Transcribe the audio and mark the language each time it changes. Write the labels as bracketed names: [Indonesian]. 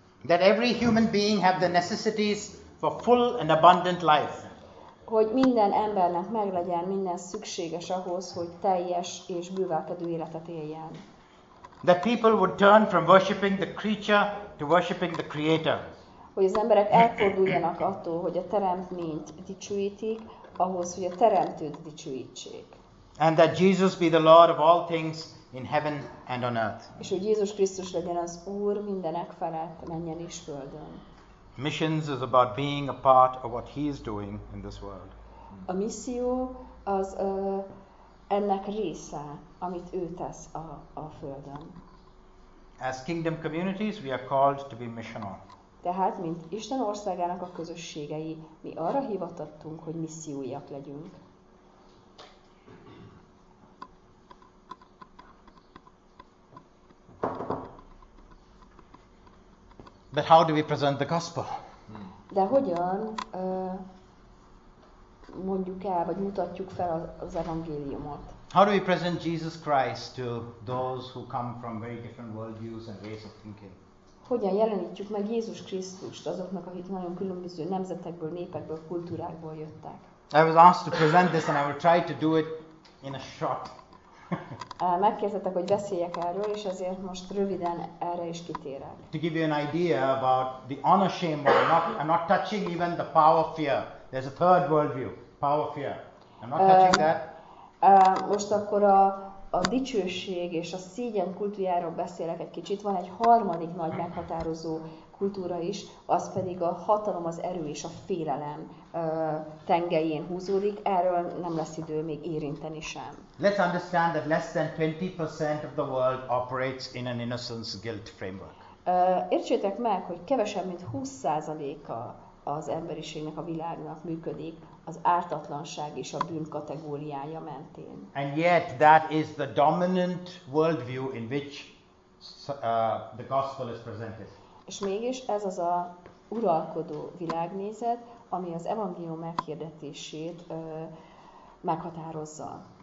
[English] That every human being have the necessities for full and abundant life. [Hungarian] Hogy minden embernek meglegyen minden szükséges ahhoz, hogy teljes és bővelkedő életet éljen. [English] That people would turn from worshiping the creature to worshiping the creator. [Hungarian] Hogy az emberek elforduljanak attól, hogy a teremtményt dicsőítik, ahhoz, hogy a teremtőt dicsőítsék. [English] And that Jesus be the Lord of all things in heaven and on earth. [Hungarian] És hogy Jézus Krisztus legyen az Úr mindenek felett, menjen is földön. [English] Missions is about being a part of what he is doing in this world. [Hungarian] A misszió az ennek része, amit ő tesz a földön. [English] As kingdom communities we are called to be missional. [Hungarian] Tehát, mint Isten országának a közösségei, mi arra hivatottunk, hogy missziójak legyünk. [English] But how do we present the gospel? [Hungarian] De hogyan mondjuk el, vagy mutatjuk fel az evangéliumot? [English] How do we present Jesus Christ to those who come from very different worldviews and ways of thinking? [Hungarian] Hogyan jelenítjük meg Jézus Krisztust azoknak, akik nagyon különböző nemzetekből, népekből, kultúrákból jöttek? [English] I was asked to present this and I will try to do it in a short. [Hungarian] Megkértetek, hogy beszéljek erről, és ezért most röviden erre is kitérek. [English] To give you an idea about the honor shame, I'm not touching even the power fear. There's a third worldview, power fear. I'm not touching that. [Hungarian] Most akkor a dicsőség és a szégyen kultúrájáról beszélek egy kicsit. Van egy harmadik nagy meghatározó kultúra is, az pedig a hatalom, az erő és a félelem tengelyén húzódik. Erről nem lesz idő még érinteni sem. [English] Let's understand that less than 20% of the world operates in an innocence guilt framework. [Hungarian] Értsétek meg, hogy kevesebb, mint 20%-a az emberiségnek, a világnak működik az ártatlanság és a bűn kategóriája mentén. [English] And yet that is the dominant worldview in which the gospel is presented. [Hungarian] És mégis ez az a uralkodó világnézet, ami az evangélium meghirdetését meghatározza.